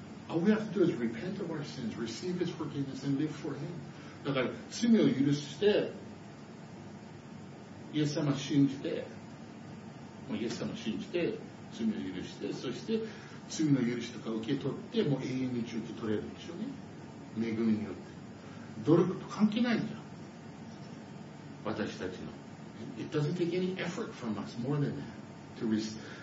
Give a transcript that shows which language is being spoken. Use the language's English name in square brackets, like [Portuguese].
[English] All we have to do is repent of our sins, receive his forgiveness, and live for him. [Japanese] だから罪を許して、イエス様信じて、もうイエス様信じて、罪を許して、そして罪の許しとか受け取って、もう永遠に受け取れるんでしょうね。恵みによって。努力と関係ないじゃん。私たちの。 [English] It doesn't take any effort from us more than that to receive.